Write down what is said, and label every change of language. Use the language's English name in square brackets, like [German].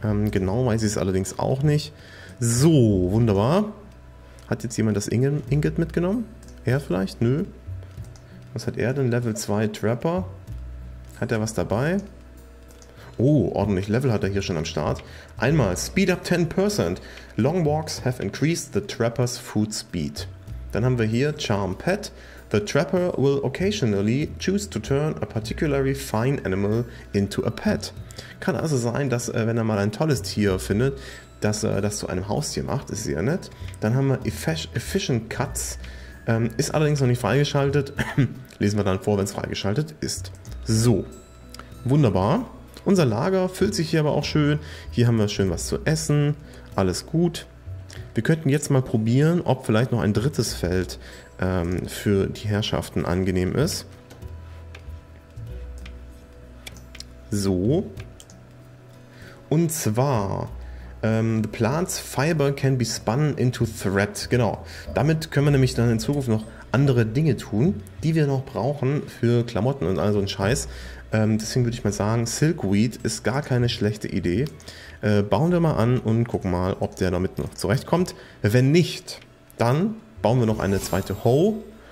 [German] Genau weiß ich es allerdings auch nicht. So, wunderbar. Hat jetzt jemand das Ingot mitgenommen? Er vielleicht? Nö. Was hat er denn? Level 2 Trapper. Hat er was dabei? Oh, ordentlich Level hat er hier schon am Start. Einmal, Speed up 10%. [English] Long walks have increased the Trapper's food speed. [German] Dann haben wir hier Charm Pet. [English] The Trapper will occasionally choose to turn a particularly fine animal into a pet. [German] Kann also sein, dass wenn er mal ein tolles Tier findet, dass er das zu einem Haustier macht. Ist sehr nett. Dann haben wir Efficient Cuts. Ist allerdings noch nicht freigeschaltet. Lesen wir dann vor, wenn es freigeschaltet ist. So, wunderbar. Unser Lager füllt sich hier aber auch schön. Hier haben wir schön was zu essen. Alles gut. Wir könnten jetzt mal probieren, ob vielleicht noch ein drittes Feld für die Herrschaften angenehm ist. So. Und zwar... [English] the plants fiber can be spun into thread. [German] Genau. Damit können wir nämlich dann in Zukunft noch andere Dinge tun, die wir noch brauchen für Klamotten und all so einen Scheiß. Deswegen würde ich mal sagen, Silkweed ist gar keine schlechte Idee. Bauen wir mal an und gucken mal, ob der damit noch zurechtkommt. Wenn nicht, dann bauen wir noch eine zweite Ho.